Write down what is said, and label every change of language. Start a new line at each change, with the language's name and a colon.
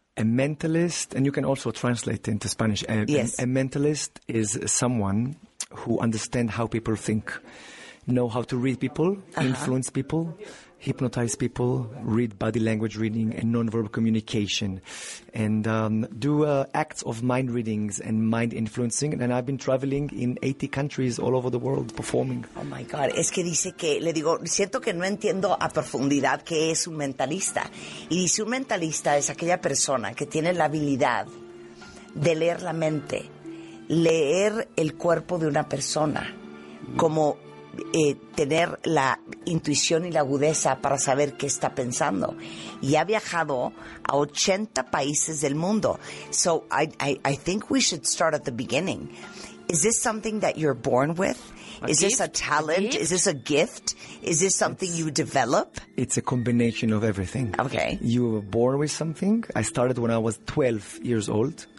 English: A mentalist, and you can also translate into Spanish. A mentalist is someone who understand how people think, know how to read people, influence people, hypnotize people, read body language reading and nonverbal communication, and do acts of mind readings and mind influencing. And I've been traveling in 80 countries all over the world performing. Oh my God.
Spanish: Es que dice que, le digo, siento que no entiendo a profundidad qué es un mentalista. Y dice, un mentalista es aquella persona que tiene la habilidad de leer la mente, leer el cuerpo de una persona, como tener la intuición y la agudeza para saber qué está pensando. Y ha viajado a 80 países del mundo.
English: So I think we should start at the beginning. Is this something that you're born with? Is this a talent? Is this a gift? Is this something you develop? It's a combination of everything. Okay. You were born with something. I started when I was 12 years old.